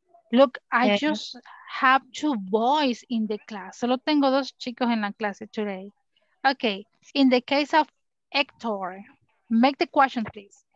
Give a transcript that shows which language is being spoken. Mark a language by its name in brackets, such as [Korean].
[English] Look, I just have two boys in the class. [Spanish] Solo tengo dos chicos en la clase today. [English] Okay. In the case of Hector, make the question, please.